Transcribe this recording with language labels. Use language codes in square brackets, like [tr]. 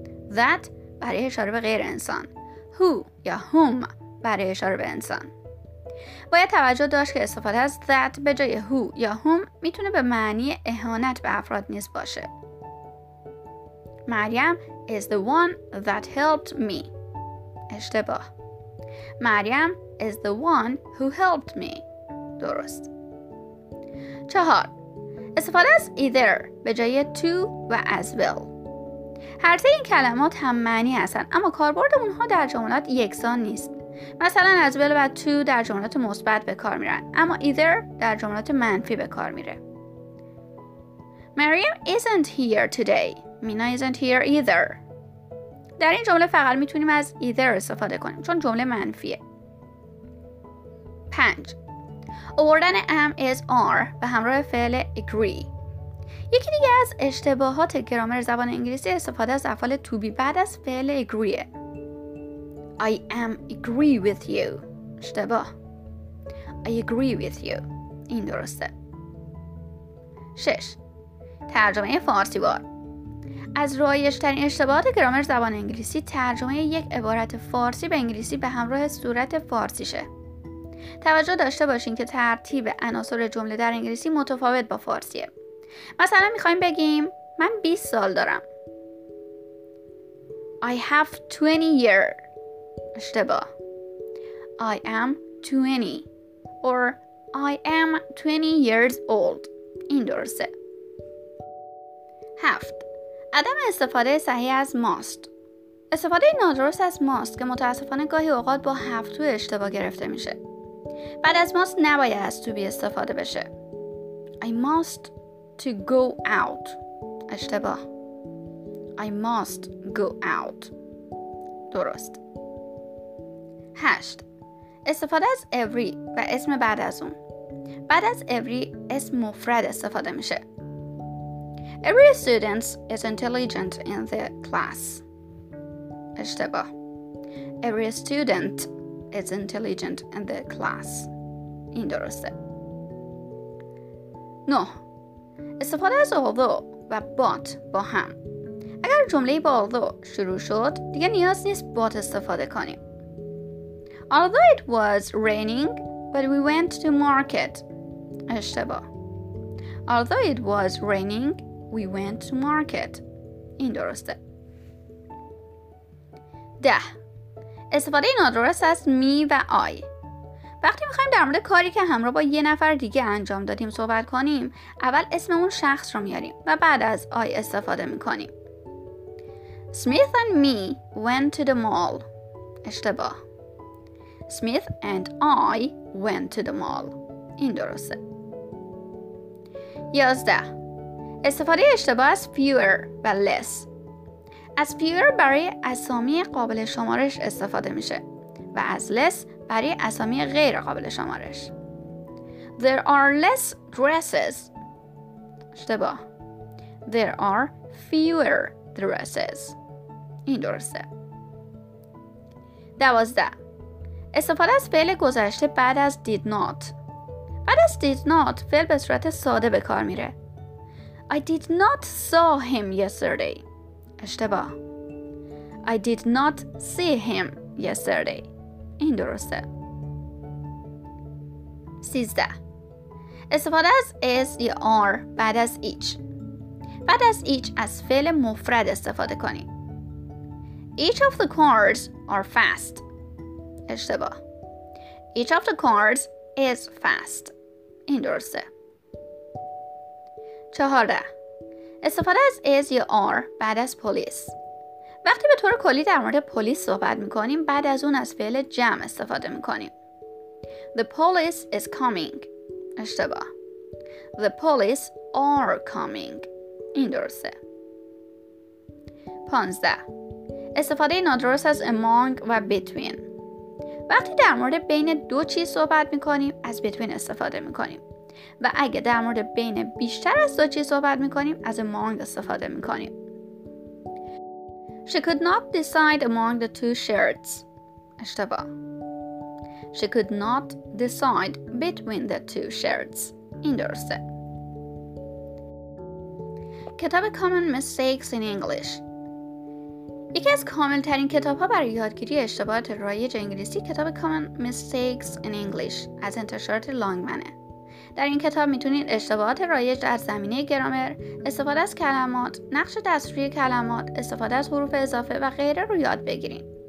[fa] That برای اشاره به غیر انسان. Who یا whom برای اشاره به انسان. باید توجه داشت که استفاده از that به جای who یا whom میتونه به معنی اهانت به افراد نیز باشه. [en] Maryam is the one that helped me. [fa] اشتباه. [en] Maryam is the one who helped me. [fa] درست. 4. استفاده از either به جای to و as well. هر سه این کلمات هم معنی هستن اما کاربرد اونها در جملات یکسان نیست. مثلا as well و to در جملات مثبت به کار میرن اما either در جملات منفی به کار میره. [en] Mariam isn't here today. Mina isn't here either. [fa] در این جمله فقط میتونیم از either استفاده کنیم چون جمله منفیه. 5. آوردن am is are به همراه فعل agree. یکی دیگه از اشتباهات گرامر زبان انگلیسی استفاده از افعال to be بعد از فعل agree. [en] I am agree with you. [fa] اشتباه. [en] I agree with you. [fa] این درسته. 6. ترجمه فارسی وار. از رایج‌ترین اشتباهات گرامر زبان انگلیسی ترجمه یک عبارت فارسی به انگلیسی به همراه صورت فارسیشه. توجه داشته باشین که ترتیب عناصر جمله در انگلیسی متفاوت با فارسیه. مثلا می‌خوایم بگیم من 20 سال دارم. [en] I have 20 year. [fa] اشتباه. [en] I am 20 or I am 20 years old. [fa] این درسته. [en] 7. [fa] عدم استفاده صحیح از must. استفاده نادرست از must که متاسفانه گاهی اوقات با have to اشتباه گرفته میشه. بعد از must نباید از to be استفاده بشه. [en] I must to go out. [fa] اشتباه. [en] I must go out. [fa] درست. [en] 8. [fa] استفاده از every و اسم بعد از اون. بعد از every اسم مفرد استفاده میشه. [en] Every student is intelligent in the class. [fa] اشتباه. [en] Every student is intelligent in the class. [fa] این درسته. 9. استفاده از although و but با هم. اگر جمله با although شروع شد، دیگه نیاز نیست but استفاده کنیم. [en] Although it was raining, but we went to market. [fa] اشتباه. [en] Although it was raining, we went to market. [fa] این درسته. 10. استفاده نادرست از me و I. وقتی میخواییم در مورد کاری که همراه با یه نفر دیگه انجام دادیم صحبت کنیم، اول اسم اون شخص رو میاریم و بعد از I استفاده میکنیم. [en] Smith and me went to the mall. [fa] اشتباه. [en] Smith and I went to the mall. [fa] این درسته. 11. استفاده اشتباه از fewer و less. از fewer برای اسامی قابل شمارش استفاده میشه و از less برای اسامی غیر قابل شمارش. [en] There are less dresses. [fa] اشتباه. [en] There are fewer dresses. [fa] این درسته. 12. استفاده از فعل گذشته بعد از did not. بعد از did not فعل به صورت ساده به کار میره. [en] I did not saw him yesterday. [fa] اشتباه. [en] I did not see him yesterday. [fa] این درسته. 13. استفاده از is یا are بعد از each. بعد از each از فعل مفرد استفاده کنی. [en] Each of the cars are fast. [fa] اشتباه. [en] Each of the cars is fast. [fa] این درسته. 14. استفاده از is یا are بعد از police. وقتی به طور کلی در مورد پلیس صحبت میکنیم، بعد از اون از فعل جمع استفاده میکنیم. [en] The police is coming. [fa] اشتباه. [en] The police are coming. [fa] این درسته. [en] 15. [fa] استفاده نادرست از among و between. وقتی در مورد بین دو چیز صحبت میکنیم، از between استفاده میکنیم. و اگه در مورد بین بیشتر از دو چیز صحبت میکنیم، از among استفاده میکنیم. [en] She could not decide among the two shirts. [fa] اشتباه. She could not decide between the two shirts. این درسته. کتاب Common Mistakes in English. یکی از کامل ترین کتاب ها برای یادگیری اشتباهات رایج انگلیسی کتاب Common Mistakes in English از انتشارات لانگمنه. در این کتاب میتونید اشتباهات رایج در زمینه گرامر، استفاده از کلمات، نقش دستوری کلمات، استفاده از حروف اضافه و غیره رو یاد بگیرید.